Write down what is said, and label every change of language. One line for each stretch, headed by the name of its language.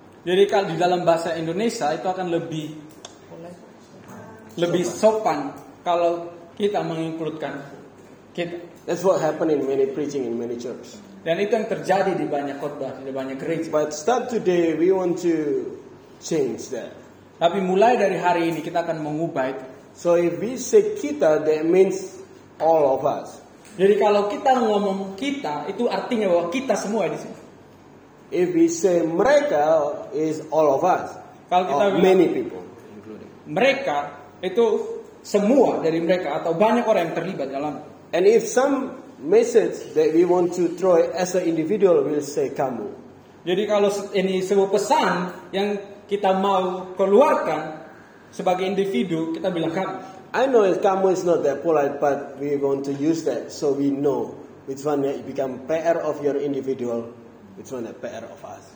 Indonesian: Jadi kalau di dalam bahasa Indonesia, itu akan lebih lebih sopan kalau kita menginkludkan kita.
English: That's what happened in many preaching in many churches.
Indonesian: Dan itu yang terjadi di banyak khotbah, di banyak gereja.
English: But start today, we want to change that.
Indonesian: Tapi mulai dari hari ini kita akan mengubah itu.
English: So if we say kita, that means all of us.
Indonesian: Jadi kalau kita ngomong kita, itu artinya bahwa kita semua di sini.
English: If we say mereka, is all of us.
Indonesian: Kalau kita bilang
English: many people,
Indonesian: including mereka, itu semua dari mereka atau banyak orang yang terlibat dalam.
English: And if some message that we want to throw as an individual, we'll say kamu.
Indonesian: Jadi kalau ini sebuah pesan yang kita mau keluarkan sebagai individu, kita bilang kamu.
English: I know it, kamu is not that polite, but we want to use that so we know which one become PR of your individual, which one the PR of us.